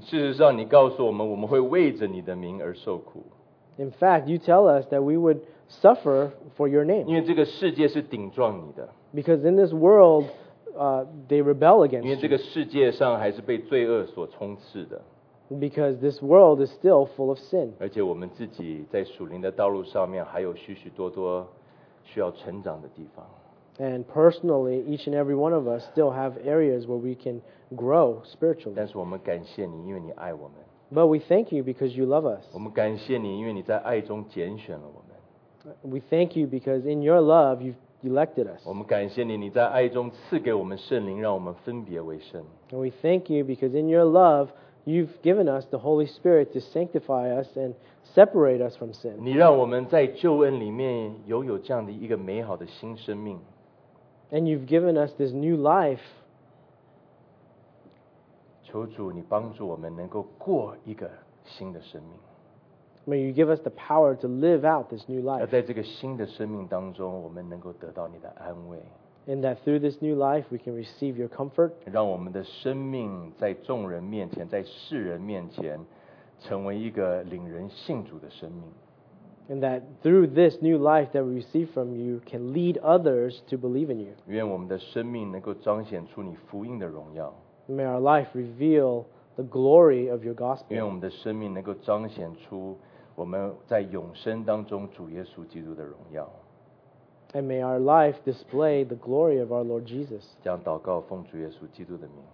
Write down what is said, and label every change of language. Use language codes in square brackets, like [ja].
[zh] 事实上，你告诉我们，我们会为着你的名而受苦。 [en] In fact, you tell us that we would suffer for your name. [zh] 因为这个世界是顶撞你的。 [en] Because in this world, they rebel against you. [zh] 因为这个世界上还是被罪恶所充斥的。 [en] Because this world is still full of sin. [zh] 而且我们自己在属灵的道路上面还有许许多多需要成长的地方。 [en] And personally, each and every one of us still have areas where we can grow spiritually. [zh] 但是我们感谢你，因为你爱我们。 [en] But we thank you because you love us. [zh] 我们感谢你，因为你在爱中拣选了我们。 [en] We thank you because in your love you've elected us. [zh] 我们感谢你，你在爱中赐给我们圣灵，让我们分别为圣。 [en] And we thank you because in your love,You've given us the Holy Spirit to sanctify us and separate us from sin. [zh] 你让我们在救恩里面拥有这样的一个美好的新生命。 [en] And you've given us this new life. [zh] 求主你帮助我们能够过一个新的生命。 [en] May you give us the power to live out this new life. [zh] 而在这个新的生命当中，我们能够得到你的安慰。 [en] And that through this new life, we can receive your comfort. [zh] 让我们的生命在众人面前，在世人面前，成为一个领人信主的生命。 [en] And that through this new life that we receive from you, can lead others to believe in you. [zh] 愿我们的生命能够彰显出你福音的荣耀。 [en] May our life reveal the glory of your gospel. [zh] 愿我们的生命能够彰显出我们在永生当中主耶稣基督的荣耀。 [en] And may our life display the glory of our Lord Jesus. [zh] 这样祷告，奉主耶稣基督的名。